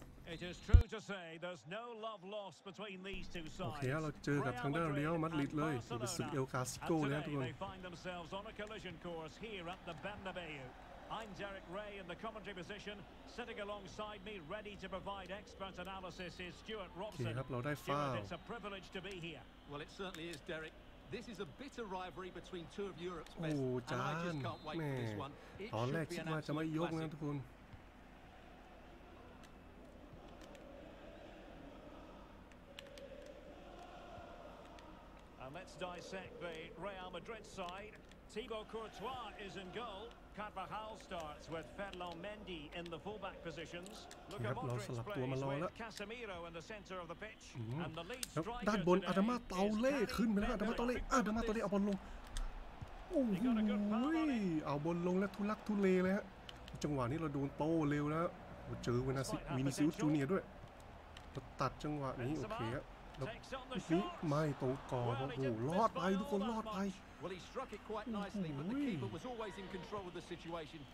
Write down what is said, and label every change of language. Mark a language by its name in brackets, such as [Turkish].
[English] It is true to say there's no love lost between these two sides. [Thai] Okay, เราเจอกับทางด้านเรอัลมาดริดเลยเป็นศึกเอลคลาสิโกแล้วทุกคน [English] They find themselves on a collision course here at the Bernabeu. I'm Derek Ray in the commentary position, sitting alongside me, ready to provide expert analysis is Stuart Robson. [Thai] Okay, ครับเราได้ฟาว [English] It's a privilege to be here. Well, it certainly is, Derek. This is a bitter rivalry between two of Europe's best. [Thai] โอ้จานแม่ตอนแรกคิดว่าจะไม่ยกนะทุกคน [English] Let's dissect the Real Madrid side. Thibaut Courtois is in goal. Carvajal starts with Ferland Mendy in the fullback positions. Look at Modric plays with Casemiro in the center of the pitch. And the lead striker today. [Thai] ด้านบนอาดามาเตาเล่ขึ้นไปแล้วอาดามาเตาเล่อาดามาเตาเล่เอาบอลลงโอ้โหเอาบอลลงและทุลักทุเลเลยฮะจังหวะนี้เราโดนโต้เร็วแล้วเจอวินิซิอุสจูเนียร์ด้วยตัดจังหวะนี้โอเคนี่ไม่ตรงก่อนโอ้โหรอดไปทุกคนรอดไป [English] Well, he struck it quite nicely, but the keeper was always in control of the situation.